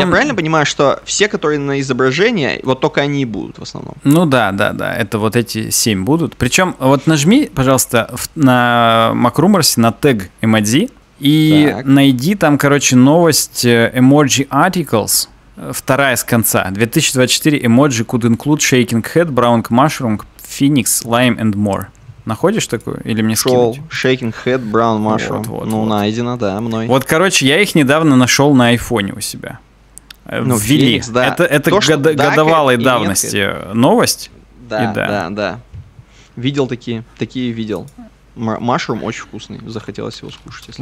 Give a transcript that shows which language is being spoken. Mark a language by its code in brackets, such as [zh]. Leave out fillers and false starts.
[ru] Я правильно понимаю, что все, которые на изображение, вот только они и будут в основном? Ну да, да, да, это вот эти 7 будут. Причем вот нажми, пожалуйста, на MacRumors на тег Emoji и так. Найди там, короче, новость Emoji Articles. Вторая с конца. [en] 2024 Emoji could include shaking head, brown mushroom, phoenix, lime and more. [ru] Находишь такую? Или мне Шел, скинуть? [en] Shaking head, brown mushroom. [ru] Вот, вот, ну, вот. Найдено, да, мной. Вот, короче, я их недавно нашел на айфоне у себя. Ну, ввели. Феникс, да. Это то, годовалой давности новость. Да, и да, да, да. Видел такие видел. Mushroom очень вкусный, захотелось его скушать, если